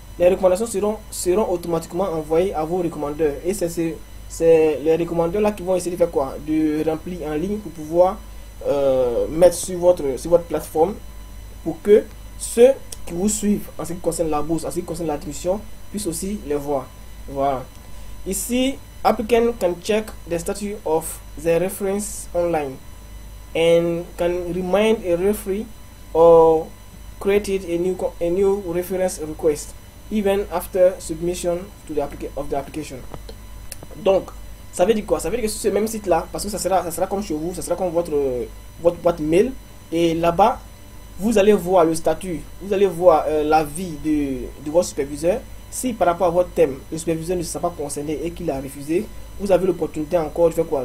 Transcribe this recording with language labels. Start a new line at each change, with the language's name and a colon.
French: Les recommandations seront automatiquement envoyées à vos recommandeurs. Et c'est les recommandeurs là qui vont essayer de faire quoi? De remplir en ligne pour pouvoir mettre sur votre plateforme pour que ceux qui vous suivent en ce qui concerne la bourse, en ce qui concerne l'attribution, puissent aussi les voir. Voilà.
English: Ici, applicant can check the status of the reference online and can remind a referee or create a new reference request even after submission to the of the application.
French: Donc, ça veut dire quoi? Ça veut dire que sur ce même site-là, parce que ça sera comme chez vous, ça sera comme votre boîte mail, et là-bas, vous allez voir le statut, vous allez voir l'avis de votre superviseur. Si par rapport à votre thème, le superviseur ne se sent pas concerné et qu'il a refusé, vous avez l'opportunité encore de faire quoi?